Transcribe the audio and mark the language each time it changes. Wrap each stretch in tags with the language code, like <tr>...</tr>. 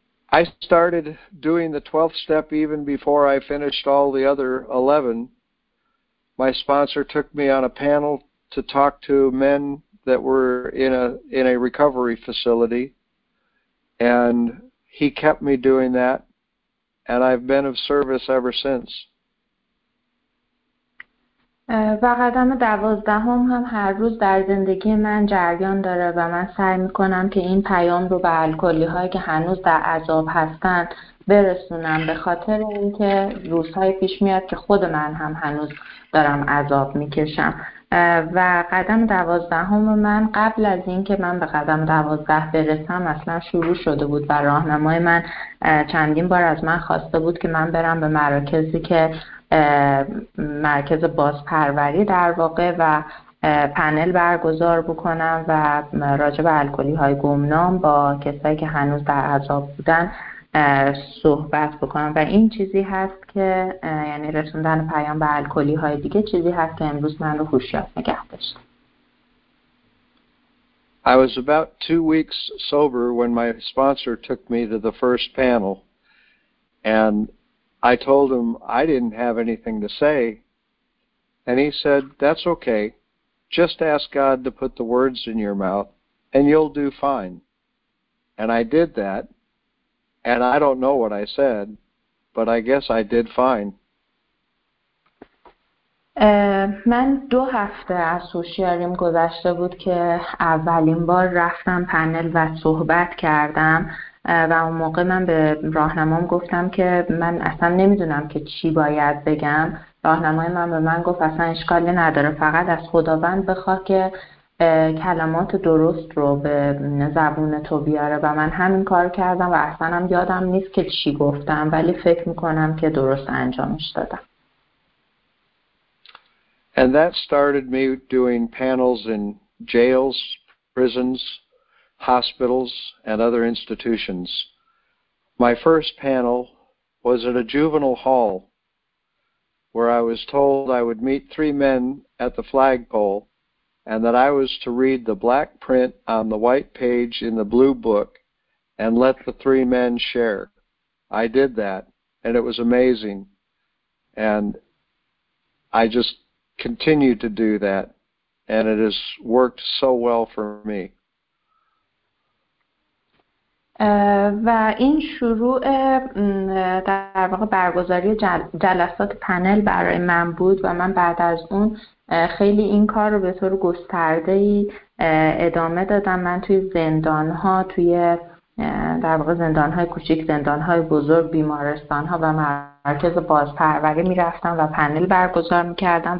<en>I started doing the 12th step even before I finished all the other 11. My sponsor took me on a panel to talk to men that were in a recovery facility, and he kept me doing that, and I've been of service ever since.</en> <fa>و قدم 12 هم هر روز در زندگی من جریان داره و من سعی میکنم که این پیام رو به الکلی هایی که هنوز در عذاب هستن برسونم، به خاطر اینکه روزهای پیش میاد که خود من هم هنوز دارم عذاب میکشم. و قدم 12 من قبل از اینکه من به قدم 12 برسم اصلا شروع شده بود و راهنمای من چندین بار از من خواسته بود که من برم به مراکزی که مرکز بازپروری در واقع و پنل برگزار بکنم و راجع به الکلی های گمنام با کسایی که هنوز در عذاب بودن صحبت بکنم. و این چیزی هست که یعنی رسوندن پیام به الکلی های دیگه چیزی هست که امروز من رو هوشیار نگه داشت.</fa> <en>I was about 2 weeks sober when my sponsor took me to the first panel, and I told him I didn't have anything to say, and he said, "That's okay. Just ask God to put the words in your mouth, and you'll do fine." And I did that, and I don't know what I said, but I guess I did fine.</en> <fa>من 2 هفته از هوشیاریم گذشته بود که اولین بار رفتم پنل و صحبت کردم. و اون موقع من به راهنمام گفتم که من اصلا نمیدونم که چی باید بگم. راهنمای من به من گفت اصلا اشکالی نداره، فقط از خداوند بخواه که کلمات درست رو به زبون تو بیاره. و من همین کار کردم و اصلا هم یادم نیست که چی گفتم، ولی فکر میکنم که درست انجامش دادم.</fa> <en>And that started me doing panels in jails, prisons, hospitals, and other institutions. My first panel was at a juvenile hall where I was told I would meet 3 men at the flagpole and that I was to read the black print on the white page in the blue book and let the 3 men share. I did that, and it was amazing. And I just continued to do that, and it has worked so well for me.</en> <fa>و این شروع در واقع برگزاری جلسات پنل برای من بود و من بعد از اون خیلی این کار رو به طور گسترده‌ای ادامه دادم. من توی زندان‌ها، توی در واقع زندان‌های کوچک، زندان‌های بزرگ، بیمارستان‌ها و مرکز بازپروری می‌رفتم و پنل برگزار می‌کردم.</fa>